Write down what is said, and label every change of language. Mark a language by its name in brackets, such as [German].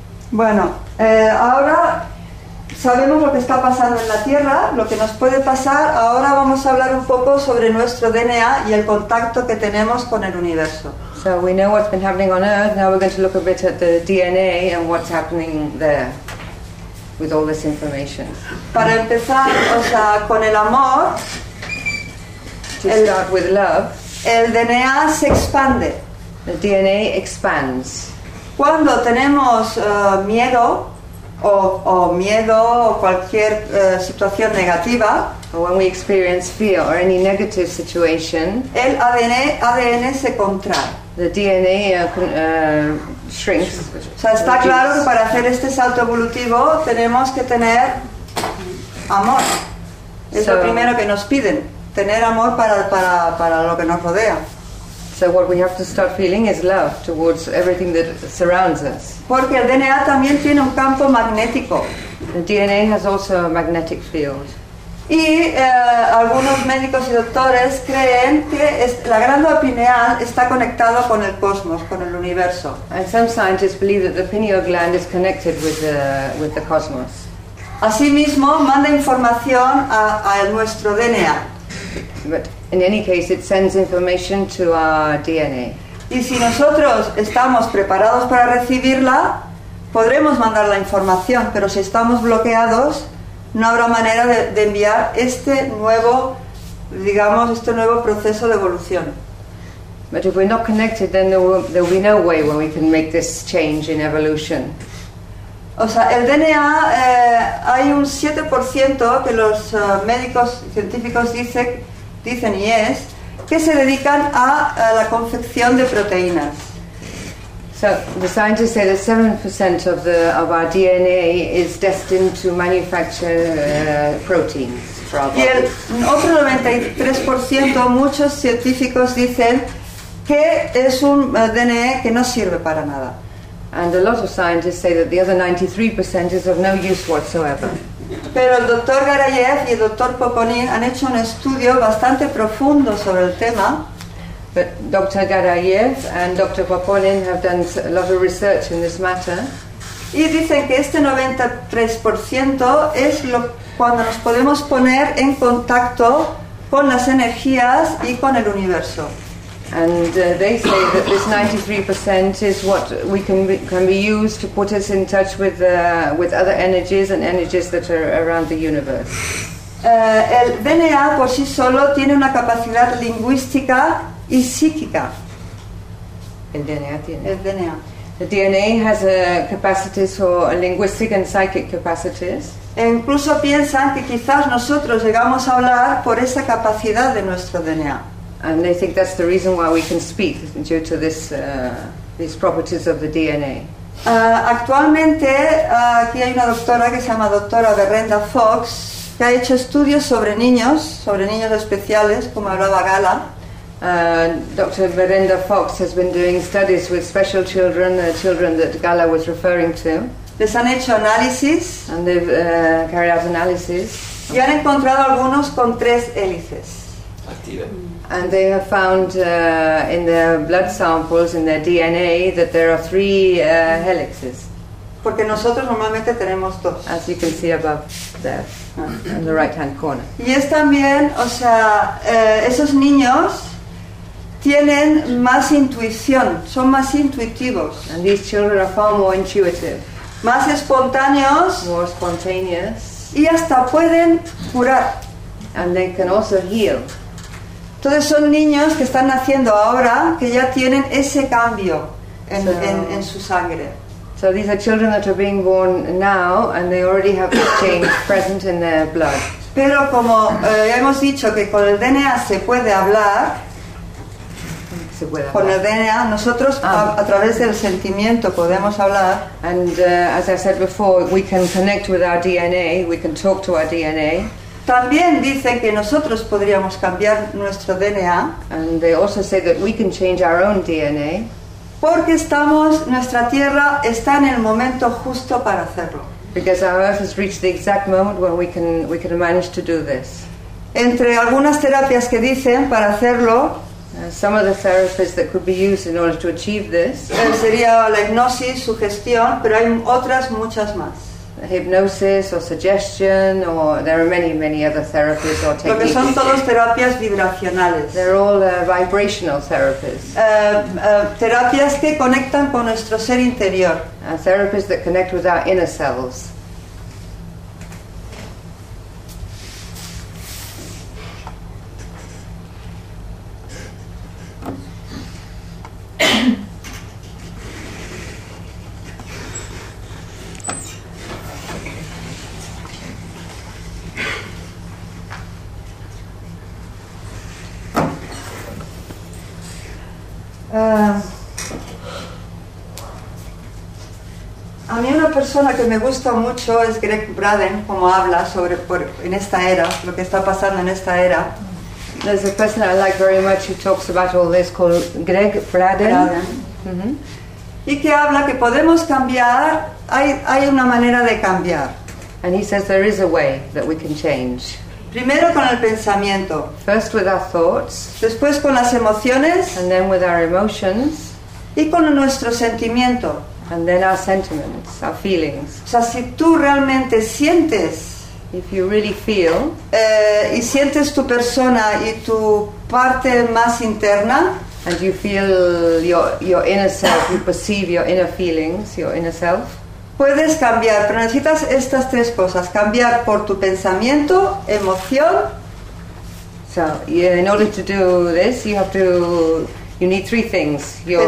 [Spanish] Bueno, ahora sabemos lo que está pasando en la Tierra, lo que nos puede pasar. Ahora vamos a hablar un poco sobre nuestro DNA y el contacto que tenemos con el universo. [English] So we know what's been happening on Earth. Now we're going to look a bit at the DNA and what's happening there with all this information. [Spanish] Para empezar, o sea, con el amor. [English] To start with love. [Spanish] El DNA se expande. [English] The DNA expands. [Spanish] Cuando tenemos miedo o miedo o cualquier situación negativa, [English] or when we experience fear or any negative situation, [Spanish] el ADN se contrae. [English] The DNA shrinks. [Spanish] O sea, está claro que para hacer este salto evolutivo tenemos que tener amor. Es lo primero que nos piden. Tener amor para lo que nos rodea. [English] So what we have to start feeling is love towards everything that surrounds us. [Spanish] Porque el DNA también tiene un campo magnético. [English] The DNA has also a magnetic field. [Spanish] Y algunos médicos y doctores creen que la glándula pineal está conectado con el cosmos, con el universo. [English] And some scientists believe that the pineal gland is connected with the cosmos. [Spanish] Asimismo, manda información a nuestro DNA. [English] But in any case, it sends information to our DNA. [Spanish] Y si nosotros estamos preparados para recibirla, podremos mandar la información, pero si estamos bloqueados, no habrá manera de enviar este nuevo, digamos, este nuevo proceso de evolución. [English] But if we're not connected, then there will be no way when we can make this change in evolution. [Spanish] O sea, el DNA, hay un 7% que los médicos científicos dicen y es, que se dedican a la confección de proteínas. [English] So, the scientists say that 7% of our DNA is destined to manufacture proteins for our bodies. [Spanish] Y el otro 93%, muchos científicos dicen que es un DNA que no sirve para nada. [English] And a lot of scientists say that the other 93% is of no use whatsoever. [Spanish] Pero el doctor Garayev y el doctor Poponin han hecho un estudio bastante profundo sobre el tema. [English] But Dr. Garayev and Dr. Poponin have done a lot of research in this matter. [Spanish] Y dicen que este 93% es cuando nos podemos poner en contacto con las energías y con el universo. [English] And they say that this 93% is what we can be used to put us in touch with other energies and energies that are around the universe. [Spanish] El DNA por sí solo tiene una capacidad lingüística y psíquica. [English] The DNA has capacities for linguistic and psychic capacities. [Spanish] E incluso piensan que quizás nosotros llegamos a hablar por esa capacidad de nuestro DNA. [English] And they think that's the reason why we can speak, due to this these properties of the DNA. [Spanish] Actualmente, aquí hay una doctora que se llama doctora Verenda Fox, que ha hecho estudios sobre niños especiales, como hablaba Gala. [English] Dr. Verenda Fox has been doing studies with special children, the children that Gala was referring to. [Spanish] Les han hecho análisis. [English] And they've carried out analysis. [Spanish] Y han encontrado algunos con tres hélices. [English] And they have found in their blood samples, in their DNA, that there are three helixes. [Spanish] Porque nosotros normalmente tenemos dos. [English] As you can see above there, in the right-hand corner. [Spanish] Y es también, o sea, esos niños tienen más intuición, son más intuitivos. [English] And these children are far more intuitive. [Spanish] Más espontáneos. [English] More spontaneous. [Spanish] Y hasta pueden curar. [English] And they can also heal. [Spanish] Entonces son niños que están naciendo ahora que ya tienen ese cambio en su sangre. [English] So these are children that are being born now and they already have this change present in their blood. [Spanish] Pero como hemos dicho que con el DNA se puede hablar, con el DNA nosotros a través del sentimiento podemos hablar. [English] And as I said before, we can connect with our DNA, we can talk to our DNA. [Spanish] También dicen que nosotros podríamos cambiar nuestro DNA. [English] And they also say that we can change our own DNA. [Spanish] Porque nuestra Tierra está en el momento justo para hacerlo. [English] Because our Earth has reached the exact moment when we can manage to do this. [Spanish] Entre algunas terapias que dicen para hacerlo, [English] some of the therapies that could be used in order to achieve this. [Spanish] Sería la hipnosis, sugestión, pero hay otras muchas más. [English] hypnosis or suggestion, or there are many, many other therapies or techniques. [Spanish] Porque son todos terapias vibracionales. [English] They're all vibrational therapies. [Spanish] Terapias que conectan con nuestro ser interior. [English] Therapies that connect with our inner selves. [Spanish] A mí una persona que me gusta mucho es Greg Braden, como habla sobre en esta era, lo que está pasando en esta era. [English] There's a person I like very much who talks about all this called Greg Braden. [Spanish] Y que habla que podemos cambiar, hay una manera de cambiar. [English] And he says there is a way that we can change. [Spanish] Primero con el pensamiento. [English] First with our thoughts. [Spanish] Después con las emociones. [English] And then with our emotions. [Spanish] Y con nuestro sentimiento. [English] And then our sentiments, our feelings. [Spanish] O sea, si tú realmente sientes, [English] if you really feel, [Spanish] y sientes tu persona y tu parte más interna, [English] and you feel your inner self, you perceive your inner feelings, your inner self, [Spanish] puedes cambiar, pero necesitas estas tres cosas: cambiar por tu pensamiento, emoción. [English] So, yeah, in order to do this, you need three things: your